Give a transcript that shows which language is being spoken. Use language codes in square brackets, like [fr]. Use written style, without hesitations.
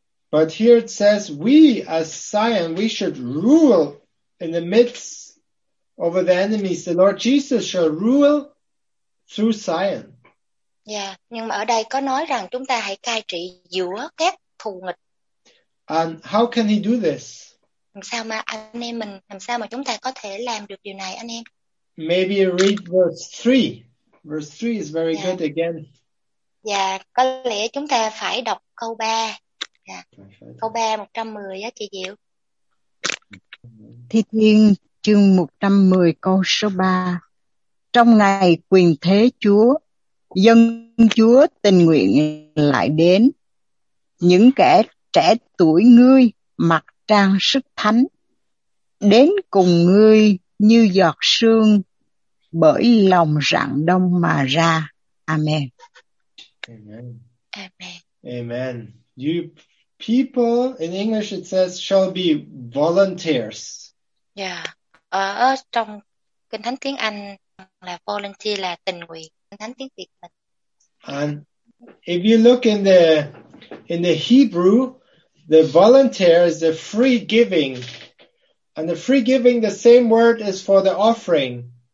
[en] But here it says we as Zion, we should rule in the midst over the enemies. The Lord Jesus shall rule through Zion. [vi] Yeah, nhưng mà ở đây có nói rằng chúng ta hãy cai trị giữa các thù nghịch. [en] And how can he do this? [vi] Làm sao mà chúng ta có thể làm được điều này, anh em? [en] Maybe read verse 3. Verse 3 is very good again. [vi] Yeah, có lẽ chúng ta phải đọc câu 3. Yeah. Câu 3 110 á chị Diệu. Thi Thiên chương 110 câu số 3. Trong ngày quyền thế Chúa, dân Chúa tình nguyện lại đến. Những kẻ trẻ tuổi ngươi mặc trang sức thánh đến cùng ngươi như giọt sương bởi lòng rạng đông mà ra. Amen. Amen. Amen. Amen. [en] You people, in English it says, shall be volunteers. Yeah. [vi] Ở trong Kinh Thánh tiếng Anh là volunteer, là tình nguyện. Kinh Thánh tiếng Việt mình. [en] And if you look in the Hebrew, the volunteer is the free giving. And the free giving, the same word is for the offering.